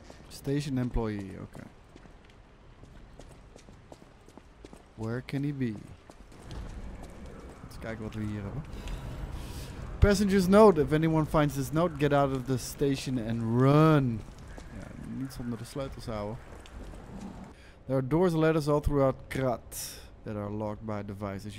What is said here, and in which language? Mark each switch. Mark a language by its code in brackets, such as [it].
[en] Station employee, okay. Where can he be? [nl] Kijken wat we hier hebben. [en] Passengers note. If anyone finds this note, get out of the station and run. [nl] Ja, niet zonder de sleutels houden. [en] There are doors and letters all throughout Krat that are locked by devices.